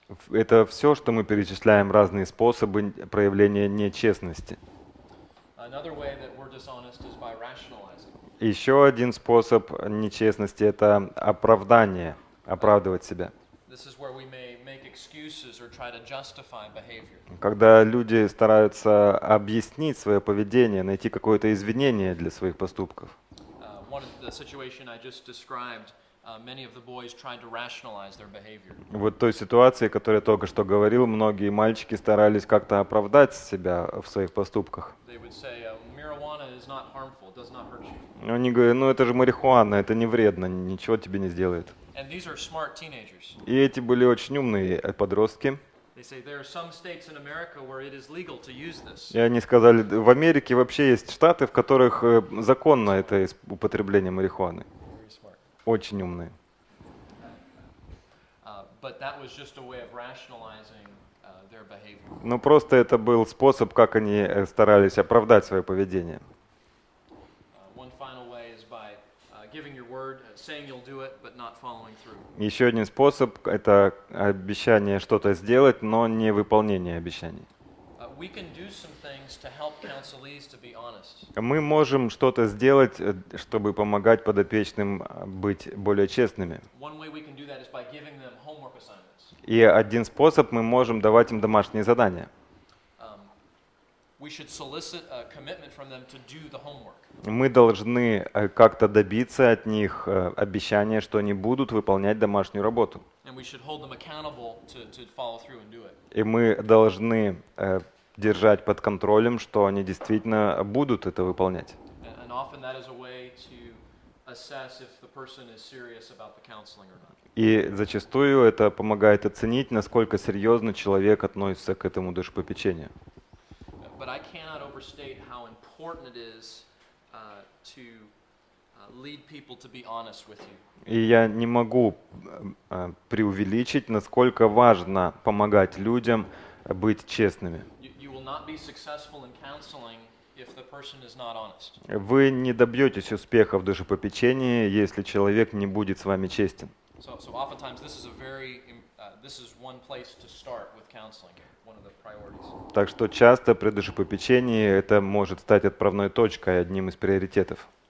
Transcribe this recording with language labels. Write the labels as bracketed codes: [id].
[ru] Это все, что мы перечисляем, разные способы проявления нечестности. [en] Another way that we're dishonest is by rationalizing. [ru] Еще один способ нечестности – это оправдание, оправдывать себя. [en] This is where we may make excuses or try to justify behavior. [ru] Когда люди стараются объяснить свое поведение, найти какое-то извинение для своих поступков. [en] The situation I just described, many of the boys tried to rationalize their behavior. [ru] Вот той ситуации, о которой я только что говорил, многие мальчики старались как-то оправдать себя в своих поступках. [en] They would say, marijuana is not harmful, does not hurt you. [ru] Они говорят, ну это же марихуана, это не вредно, ничего тебе не сделает. [en] And these are smart teenagers. [ru] И эти были очень умные подростки. [en] They say there are some states in America where it is legal to use this. [ru] И они сказали, в Америке вообще есть штаты, в которых законно это употребление марихуаны. Очень умные. [en] But that was just a way of rationalizing their behavior. [ru] Ну просто это был способ, как они старались оправдать свое поведение. [en] One final way is by giving your word, saying you'll do it, but not following through. [ru] Еще один способ – это обещание что-то сделать, но не выполнение обещаний. [en] We can do some things to help counselees to be honest. [ru] Мы можем что-то сделать, чтобы помогать подопечным быть более честными. [en] One way we can do that is by giving them homework assignments. [ru] И один способ – мы можем давать им домашние задания. [en] We should solicit a commitment from them to do the homework. [ru] Мы должны как-то добиться от них обещания, что они будут выполнять домашнюю работу. [en] And we should hold them accountable to follow through and do it. [ru] И мы должны держать под контролем, что они действительно будут это выполнять. [en] And often that is a way to assess if the person is serious about the counseling or not. [ru] И зачастую это помогает оценить, насколько серьезно человек относится к этому душепопечению. [en] But I cannot overstate how important it is to lead people to be honest with you. [ru] И я не могу преувеличить, насколько важно помогать людям быть честными. [en] You will not be successful in counseling if the person is not honest. [ru] Вы не добьетесь успеха в душепопечении, если человек не будет с вами честен. [en] So oftentimes this is a very this is one place to start with counseling. [ru] Так что часто при душепопечении это может стать отправной точкой, одним из приоритетов.